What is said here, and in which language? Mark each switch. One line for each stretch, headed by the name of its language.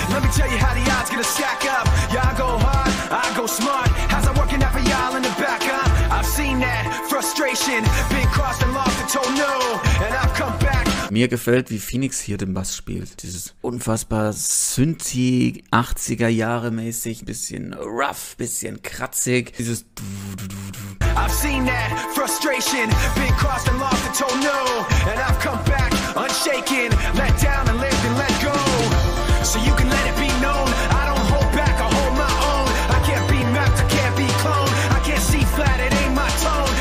English: Let me tell you how the odds gonna stack up. Yeah, I go hard, I go smart. How's I working out for y'all in the back up? I've seen that frustration. Been crossed and lost and told no. And I've come back.
German: Mir gefällt, wie Phoenix hier den Bass spielt. Dieses unfassbar synthi, 80er Jahre mäßig, bisschen rough, bisschen kratzig. Dieses.
English: I've seen that frustration. Been crossed and lost and told no. And I've come back unshaken. Let down and lived and let go. So you can let it be known. I don't hold back, I hold my own. I can't be mapped, I can't be cloned. I can't see flat, it ain't my tone.